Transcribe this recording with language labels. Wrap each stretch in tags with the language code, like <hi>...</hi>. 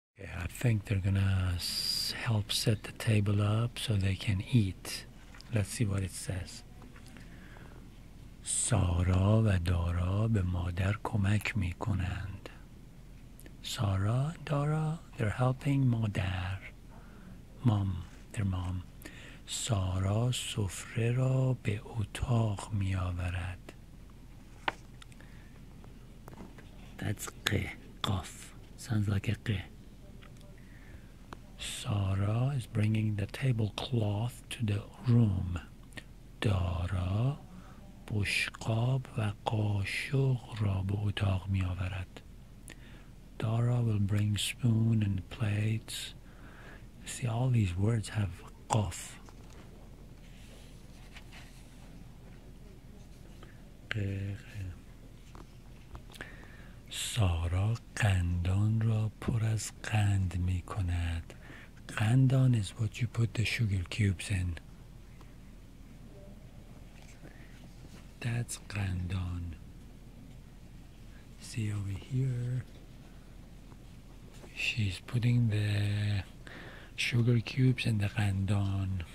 <en>I think they're gonna help set the table up so they can eat. Let's see what it says.</en> <fa>سارا و دارا به مادر کمک می کنند.</fa> <en>Sara and Dara, they're helping مادر. Mom, their mom.</en> <fa>سارا سفره را به اتاق می آورد.</fa> <en>That's قه, قاف. Sounds like a قه. Sara is bringing the tablecloth to the room.</en> <fa>دارا بشقاب و قاشق را به اتاق می آورد.</fa> <en>Dara will bring spoon and plates. See, all these words have قاف.</en> <fa>سارا قندان را پر از قند می کند.</fa> <en>Qandan is what you put the sugar cubes in. That's qandan. See over here. She's putting the sugar cubes in the qandan.</en>